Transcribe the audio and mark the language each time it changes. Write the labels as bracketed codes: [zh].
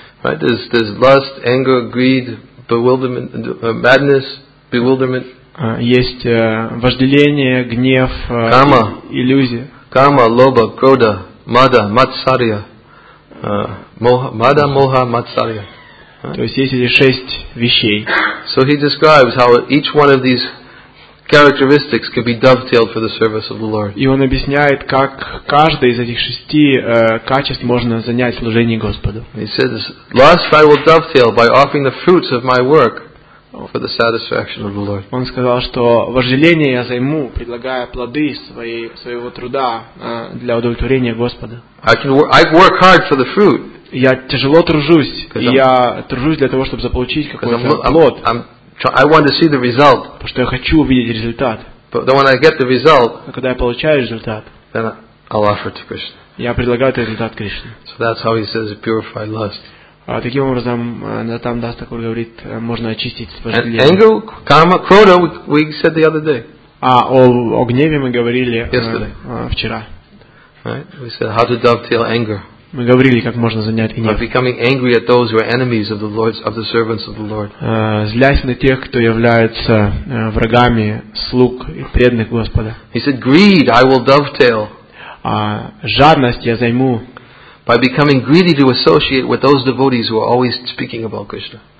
[en] Right? There's lust, anger, greed, bewilderment, madness, bewilderment. [ru] Есть вожделение, гнев, карма, иллюзия. [sa] Карма, лоба, крода, мада, матсарья. Мада, моха, матсарья. [ru] То есть есть эти шесть вещей. [en] So he describes how each one of these characteristics can be dovetailed for the service of the Lord. [ru] И он объясняет, как каждое из этих шести качеств можно занять в служении Господу. [en] He says, "Lust I will dovetail by offering the fruits of my work for the satisfaction of the Lord." [ru] Он сказал, что вожделение я займу, предлагая плоды своего труда для удовлетворения Господа. [en] I work hard for the fruit. [ru] Я тяжело тружусь, и я тружусь для того, чтобы заполучить какой-то плод. [en] I want to see the result. [ru] Потому что я хочу увидеть результат. [en] But when I get the result, [ru] когда я получаю результат, [en] then I'll offer to Krishna. [ru] Я предлагаю этот результат Кришне. [en] So that's how he says purify lust. [ru] Таким образом, там Дас Такур говорит, можно очистить вожделение. [en] And anger, karma, krodha, we said the other day. [ru] О гневе мы говорили вчера. [en] Right? We said how to dovetail anger. [ru] Мы говорили, как можно занять гнев. [en] Becoming angry at those who are enemies of the Lord, of the servants of the Lord. [ru] Злясь на тех, кто является врагами слуг и преданных Господа. [en] He said, "Greed, I will dovetail." [ru] Жадность я займу. [en] By becoming greedy to associate with those devotees who are always speaking about Krishna.